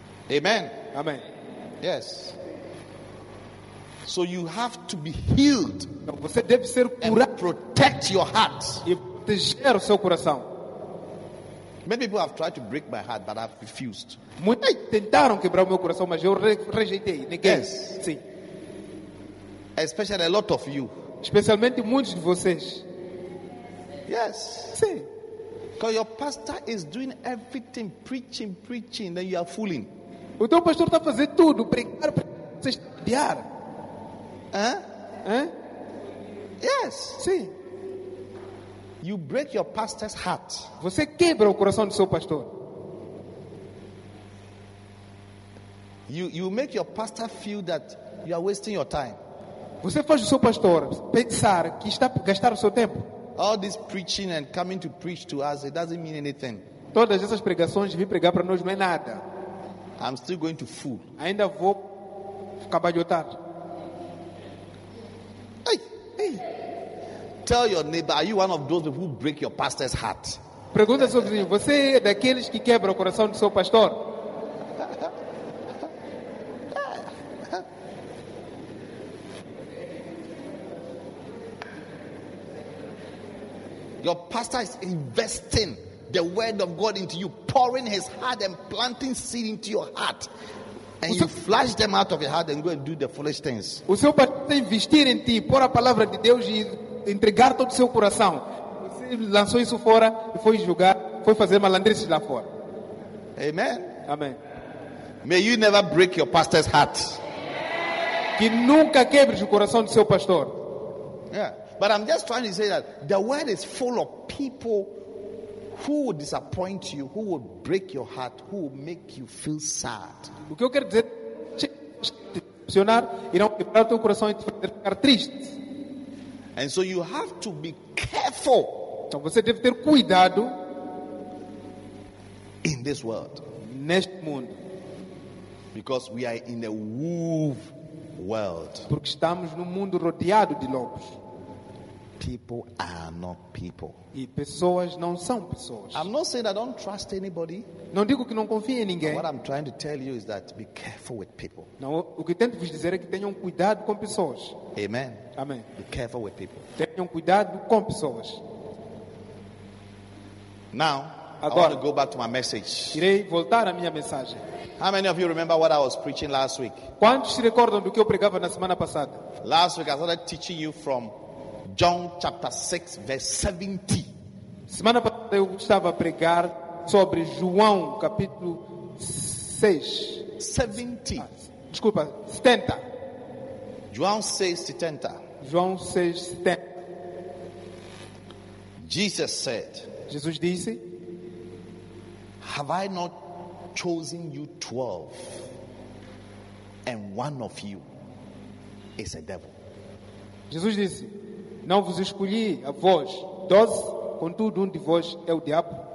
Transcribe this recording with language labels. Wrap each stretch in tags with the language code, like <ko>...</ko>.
<en>Amen. Amen. Yes. So you have to be healed.</en> <pt>Então você deve ser curado.</pt> <en>And protect your heart.</en> <pt>E proteger o seu coração.</pt> <en>Many people have tried to break my heart, but I've refused.</en> <pt>Muitos tentaram quebrar o meu coração, mas eu rejeitei. Neguei.</pt> <en>Yes.</en> <pt>Sim.</pt> <en>Especially a lot of you.</en> <pt>Especialmente muitos de vocês.</pt> <en>Yes.</en> <pt>Sim.</pt> <en>Because your pastor is doing everything, preaching, then you are fooling.</en> <pt>O teu pastor está fazendo tudo, pregar, vocês estudiar.</pt> <en>Yes.</en> <pt>Sim.</pt> <en>You break your pastor's heart.</en> <pt>Você quebra o coração do seu pastor.</pt> <en>You make your pastor feel that you are wasting your time.</en> <pt>Você faz o seu pastor pensar que está a gastar o seu tempo.</pt> <en>All this preaching and coming to preach to us, it doesn't mean anything.</en> <pt>Todas essas pregações de vir pregar para nós não é nada.</pt> <en>I'm still going to fool.</en> <pt>Ainda vou cabalhotar. Ei, ei.</pt> <en>Tell your neighbor, are you one of those who break your pastor's heart?</en> <pt>Pergunta ao seu vizinho, você é daqueles que quebra o coração do seu pastor?</pt> <en>Your pastor is investing the word of God into you, pouring his heart and planting seed into your heart. And you flush them out of your heart and go and do the foolish things.</en> <pt>O seu pastor está investindo em ti, pôr a palavra de Deus e entregar todo o seu coração. Você lançou isso fora e foi julgar, foi fazer malandrices lá fora.</pt> <en>Amen.</en> <pt>Amém.</pt> <en>May you never break your pastor's heart.</en> <pt>Que nunca quebre o coração do seu pastor.</pt> <en>Yeah. But I'm just trying to say that the world is full of people who will disappoint you, who will break your heart, who will make you feel sad.</en> <pt>O que eu quero dizer, decepcionar e não quebrar o teu coração e te fazer ficar triste.</pt> <en>And so you have to be careful.</en> <pt>Então você deve ter cuidado</pt> <en>in this world.</en> <pt>Neste mundo.</pt> <en>Because we are in a wolf world.</en> <pt>Porque estamos num mundo rodeado de lobos.</pt> <en>People are not people.</en> <pt>E pessoas não são pessoas.</pt> <en>I'm not saying I don't trust anybody.</en> <pt>Não digo que não confie em ninguém.</pt> <en>But what I'm trying to tell you is that be careful with people.</en> <pt>Não, o que tento vos dizer é que tenham cuidado com pessoas.</pt> <en>Amen.</en> <pt>Amém.</pt> <en>Be careful with people.</en> <pt>Tenham cuidado com pessoas.</pt> <en>Now,</en> <pt>agora,</pt> <en>I want to go back to my message.</en> <pt>Irei voltar à minha mensagem.</pt> <en>How many of you remember what I was preaching last week?</en> <pt>Quantos se recordam do que eu pregava na semana passada?</pt> <en>Last week I started teaching you from John chapter 6 verse 70.</en> <pt>Semana passada eu estava a pregar sobre João capítulo 6. 70. Desculpa, 70. João 6, 70. João 6, 70.</pt> <en>Jesus said,</en> <pt>Jesus disse,</pt> <en>have I not chosen you 12, and one of you is a devil?</en> <pt>Jesus disse, não vos escolhi a vós 12, contudo de vós é o diabo.</pt>